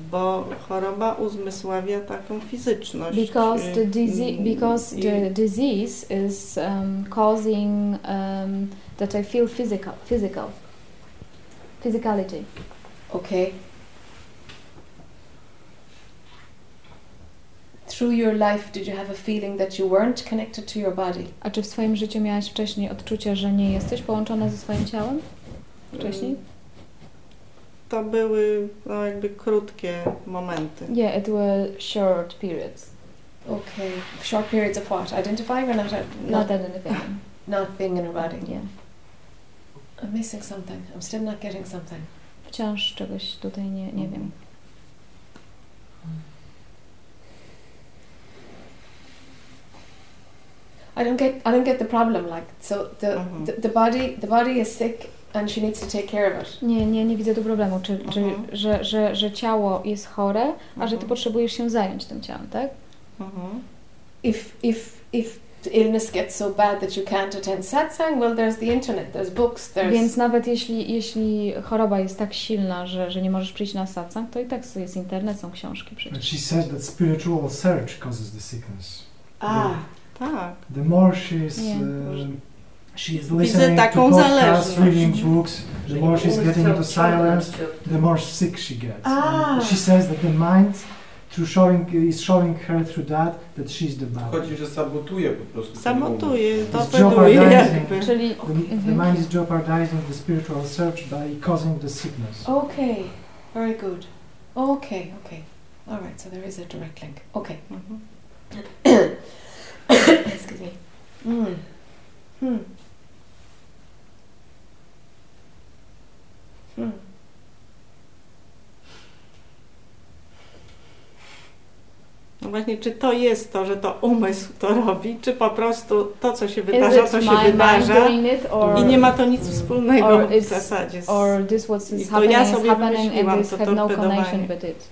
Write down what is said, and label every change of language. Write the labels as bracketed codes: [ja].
[pl] Bo choroba uzmysławia taką fizyczność. [en] Because the disease is causing that I feel physical. Physicality. Okay. Through your life, did you have a feeling that you weren't connected to your body? [pl] A czy w swoim życiu miałaś wcześniej odczucie, że nie jesteś połączona ze swoim ciałem? Wcześniej? To były jakby krótkie momenty. [en] Yeah, it were short periods. Okay. Short periods of what? Identifying or not identifying? Not being in a body. Yeah. I'm missing something. I'm still not getting something. [pl] Wciąż czegoś tutaj nie wiem. [en] I don't get the problem. Like so, the body is sick and she needs to take care of it. [pl] Nie widzę tu problemu, czy że ciało jest chore, a że ty potrzebujesz się zająć tym ciałem, tak? Uh-huh. [en] If the illness gets so bad that you can't attend satsang, well, there's the internet, there's books, there's. [pl] Więc nawet jeśli choroba jest tak silna, że nie możesz przyjść na satsang, to i tak jest internet, są książki przecież. [en] But she said that spiritual search causes the sickness. Ah. [pl] Tak. [en] The more she is listening to podcasts, reading books, the more she's getting into silence, the more sick she gets. Ah. She says that the mind is showing her through that she's the body. [pl] Chodzi, że sabotuje po prostu. Sabotuje, torpeduje. Czyli [en] the mind is jeopardizing the spiritual search by causing the sickness. Okay, very good. Okay. All right, so there is a direct link. Okay. Mm-hmm. Excuse me. Mm. Hmm. [pl] No właśnie, czy to jest to, że to umysł to robi, czy po prostu to, co się wydarza, to się wydarza i nie ma to nic wspólnego w zasadzie. [en] Or this what's is happening, [pl] ja sobie [en] is happening and this to had no connection with it.